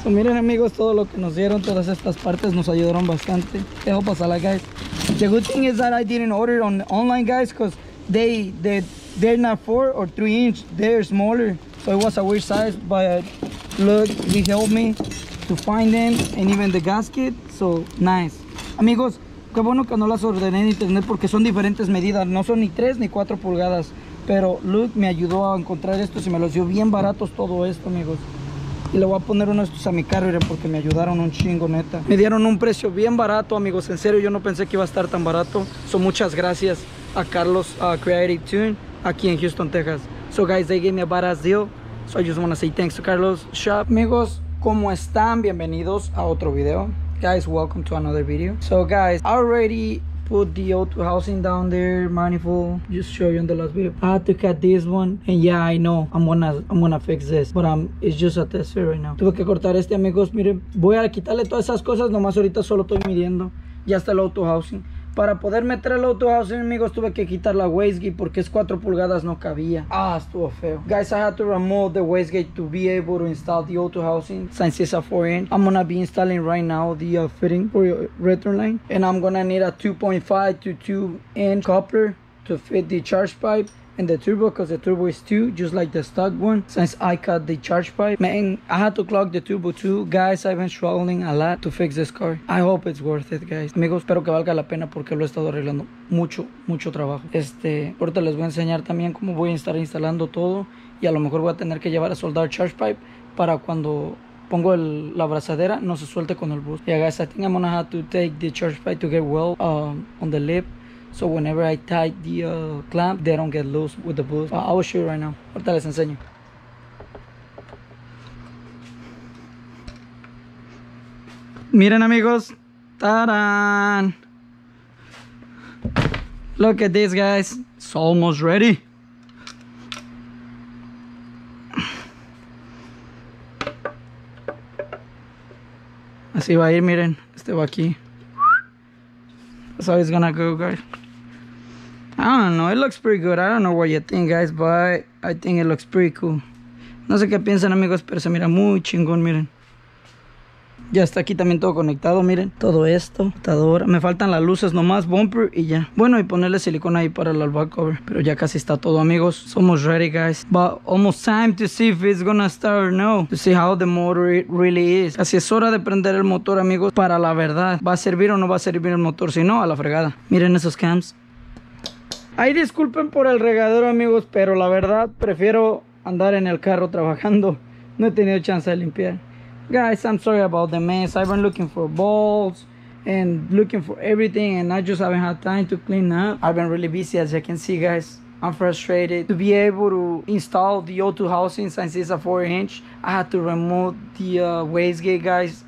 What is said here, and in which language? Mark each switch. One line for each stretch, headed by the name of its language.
Spanish: So, miren, amigos, todo lo que nos dieron, todas estas partes, nos ayudaron bastante. Te hago pasar, guys.
English: The good thing is that I didn't order on online, guys, because they're not 4 or 3 inch. They're smaller. So it was a weird size, but look, he helped me to find them and even the gasket. So, nice.
Spanish: Amigos, qué bueno que no las ordené en internet porque son diferentes medidas. No son ni 3 ni 4 pulgadas. Pero Luke me ayudó a encontrar estos y me los dio bien baratos todo esto, amigos. Y le voy a poner uno de estos a mi carrera porque me ayudaron un chingo, neta. Me dieron un precio bien barato, amigos. En serio, yo no pensé que iba a estar tan barato. So, muchas gracias a Carlos, a Creative Tune, aquí en Houston, Texas.
English: So, guys, they gave me a badass deal. So, I just want to say thanks to Carlos Shop.
Spanish: Amigos, ¿cómo están? Bienvenidos a otro video.
English: Guys, welcome to another video. So, guys, already put the O2 housing down there, manifold. Just show you in the last video. I had to cut this one, and yeah, I know I'm gonna fix this, but it's just a test fit right now.
Spanish: Tuve que cortar este, amigos. Miren, voy a quitarle todas esas cosas. Nomás ahorita solo estoy midiendo. Ya está el O2 housing. Para poder meter el O2 housing, amigos, tuve que quitar la wastegate porque es 4 pulgadas, no cabía. Ah, estuvo feo.
English: Guys, I had to remove the wastegate to be able to install the O2 housing since it's a 4-inch. I'm gonna be installing right now the fitting for your return line. And I'm gonna need a 2.5 to 2-inch coupler to fit the charge pipe and the turbo, because the turbo is 2, just like the stock one, since I cut the charge pipe. Man, I had to clog the turbo too. Guys, I've been struggling a lot to fix this car. I hope it's worth it, guys.
Spanish: Amigos, espero que valga la pena porque lo he estado arreglando mucho, mucho trabajo. Ahorita les voy a enseñar también cómo voy a estar instalando todo. Y a lo mejor voy a tener que llevar a soldar charge pipe para cuando pongo la abrazadera no se suelte con el bus.
English: Yeah, guys, I think I'm gonna have to take the charge pipe to get weld on the lip. So whenever I tie the clamp, they don't get loose with the boost. I will show you right now.
Spanish: Ahorita les enseño. Miren, amigos. Tarán.
English: Look at this, guys. It's almost ready.
Spanish: Así va a ir, miren. Este va aquí.
English: That's how it's gonna go, guys. I don't know, it looks pretty good. I don't know what you think, guys, but I think it looks pretty cool.
Spanish: No sé qué piensan, amigos, pero se mira muy chingón, miren. Ya está aquí también todo conectado, miren. Todo esto, atadora. Me faltan las luces nomás, bumper y ya. Bueno, y ponerle silicona ahí para el albat cover. Pero ya casi está todo, amigos. Somos
English: ready, guys. But almost time to see if it's gonna start or no. To see how the motor it really is.
Spanish: Casi es hora de prender el motor, amigos, para la verdad. ¿Va a servir o no va a servir el motor? Si no, a la fregada. Miren esos cams. Ahí disculpen por el regadero, amigos, pero la verdad prefiero andar en el carro trabajando. No he tenido chance de limpiar.
English: Guys, I'm sorry about the mess. I've been looking for bolts and looking for everything, and I just haven't had time to clean up. I've been really busy, as you can see, guys. I'm frustrated to be able to install the O2 housing. Since it's a 4-inch, I had to remove the wastegate, guys.